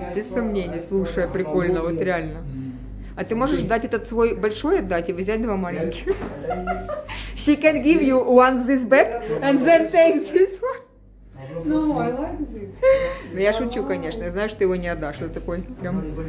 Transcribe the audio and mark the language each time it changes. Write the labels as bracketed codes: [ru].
[ru] Без сомнений, слушай, прикольно, вот реально. А ты можешь дать этот свой большой отдать и взять два маленьких? [en] She can give you one this back and then take this one. No, I like this. [ru] Ну, я шучу, конечно. Я знаю, что ты его не отдашь. Это такой прям...